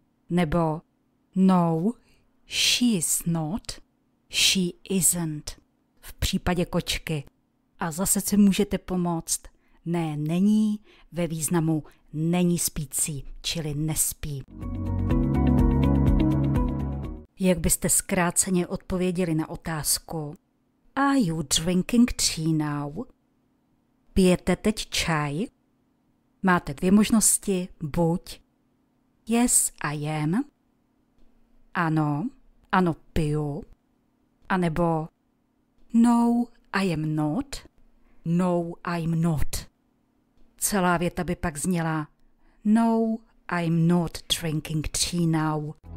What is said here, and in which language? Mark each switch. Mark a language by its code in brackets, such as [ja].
[cs] Nebo [en] no, she is not, she isn't, [cs] v případě kočky. A zase si můžete pomoct. Ne, není, ve významu není spící, čili nespí. Jak byste zkráceně odpověděli na otázku? [en] Are you drinking tea now? [cs] Pijete teď čaj? Máte dvě možnosti, buď [en] yes, I am. [cs] Ano, ano, piju. A nebo [en] no, I am not. No, I'm not. [cs] Celá věta by pak zněla [en] no, I'm not drinking tea now.